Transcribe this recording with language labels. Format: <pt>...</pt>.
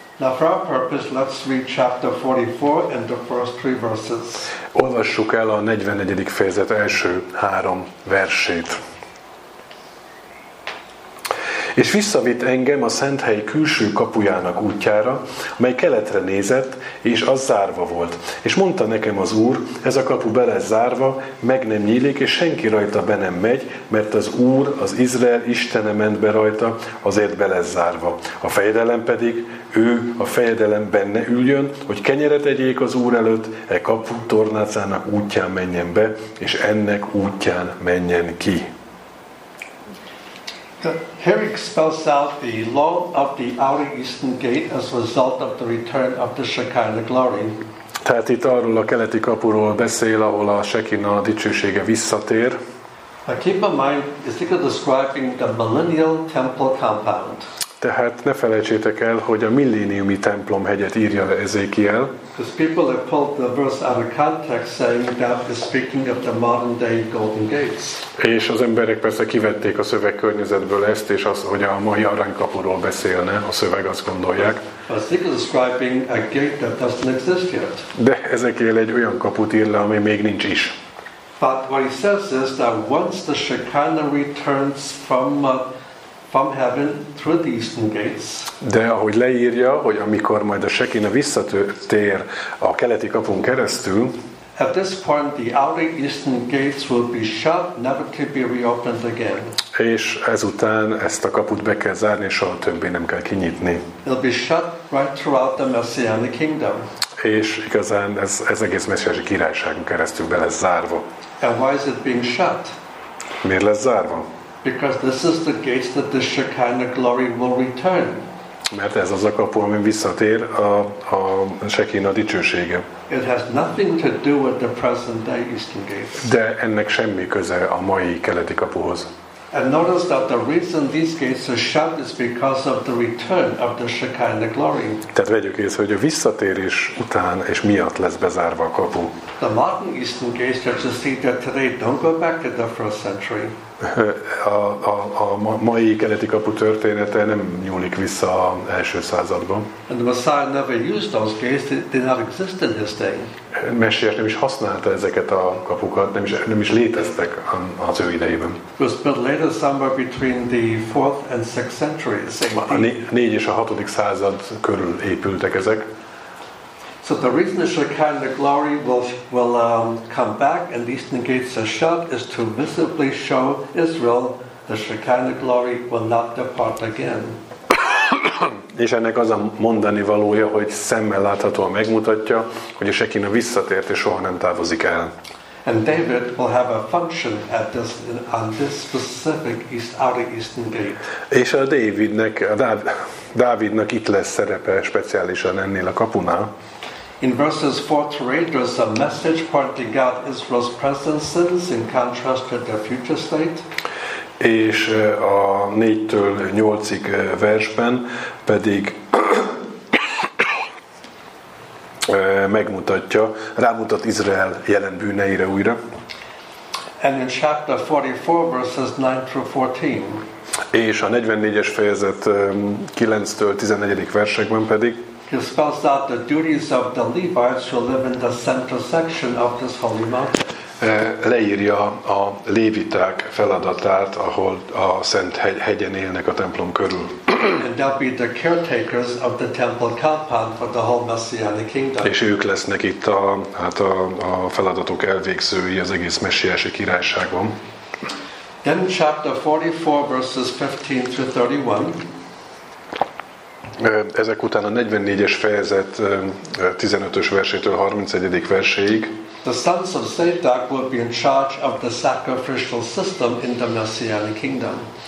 <en>Now for our purpose, let's read chapter 44 and the first three verses.</en> <hu>Olvassuk el a 44. fejezet első három versét. És visszavitt engem a szent hely külső kapujának útjára, mely keletre nézett, és az zárva volt. És mondta nekem az Úr, ez a kapu be lesz zárva, meg nem nyílik, és senki rajta be nem megy, mert az Úr, az Izrael istene ment be rajta, azért be lesz zárva. A fejedelem pedig, ő a fejedelem benne üljön, hogy kenyeret egyék az Úr előtt, e kapu tornácának útján menjen be, és ennek útján menjen ki.</hu> <en>Here he spells out the law of the outer eastern gate as a result of the return of the Shekinah glory.</en> <hu>Tehát itt arról a keleti kapuról beszél, ahol a Shekinah dicsősége visszatér.</hu> <en>Now keep in mind, Ezekiel describing the millennial temple compound.</en> <hu>Tehát ne felejtsétek el, hogy a milléniumi templom hegyet írja le Ezékiel.</hu> <en>Because people have pulled the verse out of context, saying that it's speaking of the modern-day Golden Gates.</en> <hu>És az emberek persze kivették a szöveg környezetből ezt, és az, hogy a mai aranykapuról beszélne a szöveg, azt gondolják.</hu> <en>But Ezekiel is describing a gate that doesn't exist yet.</en> <hu>De Ezekiel egy olyan kaput ír le, ami még nincs is.</hu> <en>But what he says is that once the Shekinah returns from heaven through the eastern gates.</en> <hu>De ahogy leírja, hogy amikor majd a Shekinah visszatér a keleti kapun keresztül,</hu> <en>at this point the outer eastern gates will be shut, never to be reopened again.</en> <hu>És ezután ezt a kaput be kell zárni, soha többé nem kell kinyitni.</hu> <en>It'll be shut right throughout the Messianic kingdom.</en> <hu>És igazán ez egész messiási királyságon keresztül be lesz zárva.</hu> <en>And why is it being shut?</en> <hu>Miért lesz zárva?</hu> <en>Because this is the gate that the Shekinah glory will return.</en> <hu>Mert ez az a kapu, amin visszatér a Shekinah dicsősége.</hu> <en>It has nothing to do with the present day eastern gates.</en> <hu>De ennek semmi köze a mai keleti kapuhoz.</hu> <en>And notice that the reason these gates are shut is because of the return of the Shekinah glory.</en> <hu>Tehát vegyük észre, hogy a visszatérés után és miatt lesz bezárva a kapu.</hu> <en>The modern eastern gates that you see there today don't go back to the first century.</en> <hu>A mai keleti kapu története nem nyúlik vissza a első századba.</hu> <en>And the Messiah never used those gates, they did not exist in his day.</en> <hu>Messiás nem is használta ezeket a kapukat, nem is léteztek az ő idejében.</hu> <en>But later somewhere between the 4th and 6th centuries.</en> <hu>A 4. és a 6. század körül épültek ezek.</hu> <en>So the reason the Shekinah glory will come back and the eastern gates are shut is to visibly show Israel the Shekinah glory will not depart again.</en> <hu>És ennek az a mondani valója, hogy szemmel láthatóan megmutatja, hogy a Shekinah visszatért és soha nem távozik el.</hu> <en>And David will have a function at this on this specific outer eastern gate.</en> <hu>És a Dávidnek, Dávidnak itt lesz szerepe speciálisan ennél a kapunál.</hu> <en>In verses 4 to 8, there's a message pointing out Israel's present sins in contrast to their future state.</en> <hu>És a 4-től 8-ig versben pedig megmutatja, rámutat Izrael jelen bűneire újra.</hu> <en>And in chapter 44, verses 9 through 14.</en> <hu>És a 44-es fejezet 9-től 14. versekben pedig</hu> <en>he spells out the duties of the Levites who live in the central section of this holy mountain.</en> <hu>Leírja a léviták feladatát, ahol a szent hegyen élnek a templom körül.</hu> <en>And they'll be the caretakers of the temple compound for the whole Messianic kingdom.</en> <hu>És ők lesznek itt a feladatok elvégzői az egész messiási királyságon.</hu> <en>Then chapter 44, verses 15 to 31.</en> <hu>Ezek után a 44-es fejezet 15-ös versétől 31. verséig.</hu> <en>The sons of Zadok will be in charge of the sacrificial system in the Messianic kingdom.</en>